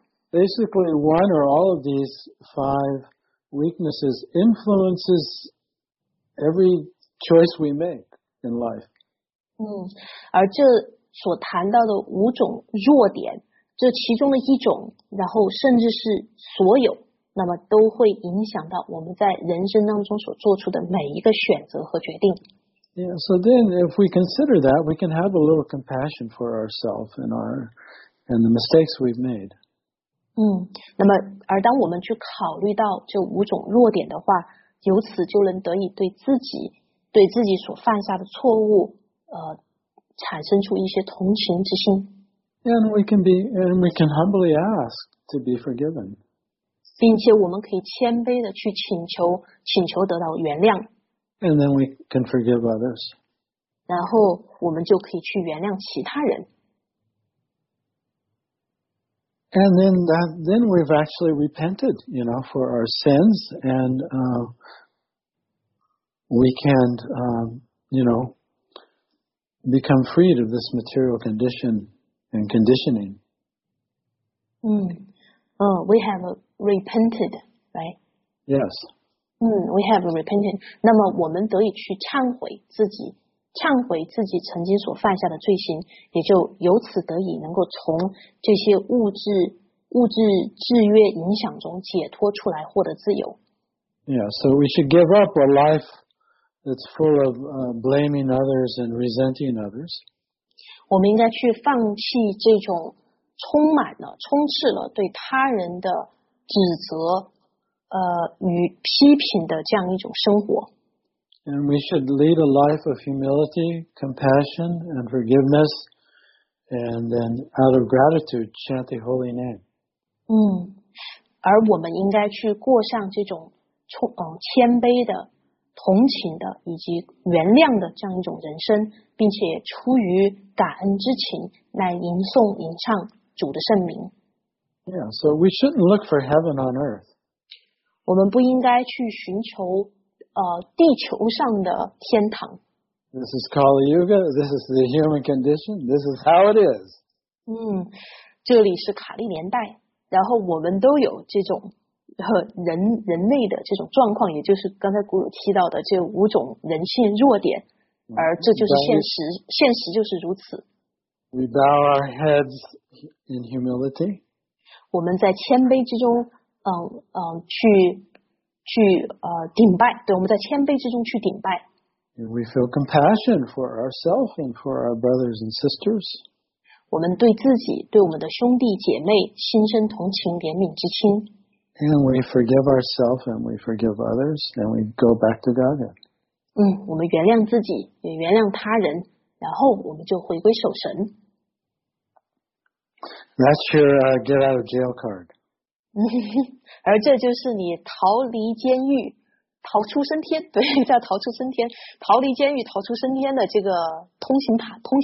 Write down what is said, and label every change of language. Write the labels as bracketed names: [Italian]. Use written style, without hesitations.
[English] Basically, one or all of these five weaknesses influences every choice we make in life. [Chinese] 而这所谈到的五种弱点，这其中的一种，然后甚至是所有，那么都会影响到我们在人生当中所做出的每一个选择和决定。 [English] Yeah, so then if we consider that, we can have a little compassion for ourselves and our and the mistakes we've made. [Chinese] 那么而当我们去考虑到这五种弱点的话，由此就能得以对自己所犯下的错误，产生出一些同情之心。 [English] And we can be, and we can humbly ask to be forgiven. [Chinese] 并且我们可以谦卑的去请求得到原谅。 [English] And then we can forgive others. [Chinese] 然后我们就可以去原谅其他人。 [English] And then that, then we've actually repented, you know, for our sins, and we can, you know, become freed of this material condition and conditioning. We have repented, right? Yes. We have repented. [Chinese] 那么我们得以去忏悔自己曾经所犯下的罪行，也就由此得以能够从这些物质制约影响中解脱出来，获得自由。 [English] Yeah, so we should give up a life that's full of blaming others and resenting others. [Chinese] 我们应该去放弃这种充斥了对他人的指责与批评的这样一种生活。 [English] And we should lead a life of humility, compassion, and forgiveness, and then out of gratitude, chant the holy name. [Chinese] 而我们应该去过上这种谦卑的、同情的以及原谅的这样一种人生，并且出于感恩之情来吟诵、吟唱主的圣名。 [English] Yeah, so we shouldn't look for heaven on earth. [Chinese] 我们不应该去寻求地球上的天堂。 [English] This is Kali Yuga. This is the human condition. This is how it is. [Chinese] 这里是卡利年代，然后我们都有这种人类的这种状况，也就是刚才古鲁提到的这五种人性弱点，而这就是现实，现实就是如此。 [English] We bow our heads in humility. [Chinese] 我们在谦卑之中，去顶拜，对，我们在谦卑之中去顶拜。 [English] We feel compassion for ourselves and for our brothers and sisters. [Chinese] 我们对自己，对我们的兄弟姐妹，心生同情怜悯之心。 [English] And we forgive ourselves and we forgive others and we go back to God. [Chinese] 我们原谅自己，也原谅他人，然后我们就回归守神。 [English] That's your get out of jail card. [Chinese] 而这就是你逃离监狱、逃出升天，对，叫逃出升天，逃离监狱、逃出升天的这个通行牌。